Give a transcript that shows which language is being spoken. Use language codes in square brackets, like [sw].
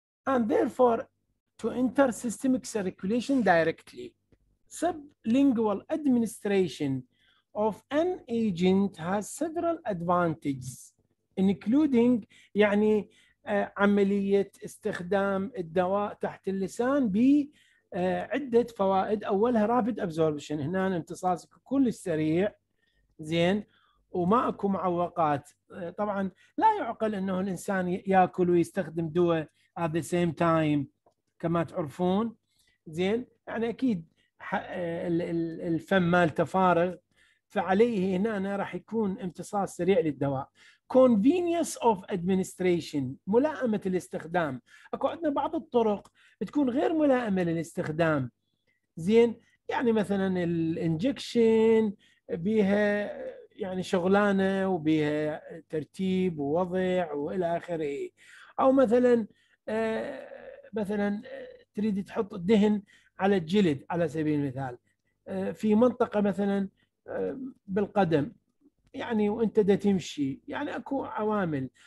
[en] And therefore to enter systemic circulation directly sublingual administration of an agent has several advantages including [ar] يعني عملية استخدام الدواء تحت اللسان ب عدة فوائد. أولها rapid absorption، هنا امتصاص كل السريع زين وما أكو معوقات. طبعا لا يعقل أنه الإنسان يأكل ويستخدم دواء [en] at the same time [ar] كما تعرفون زين، يعني أكيد الفم مال تفارغ فعليه هنا راح يكون امتصاص سريع للدواء. [en] convenience of administration، [ar] ملائمة الاستخدام. أكو عندنا بعض الطرق تكون غير ملائمة للاستخدام زين، يعني مثلا الانجكشن بها يعني شغلانة وبها ترتيب ووضع وإلى آخره، أو مثلا مثلا تريد تحط الدهن على الجلد على سبيل المثال في منطقة مثلا بالقدم يعني وانت دا تمشي، يعني اكو عوامل.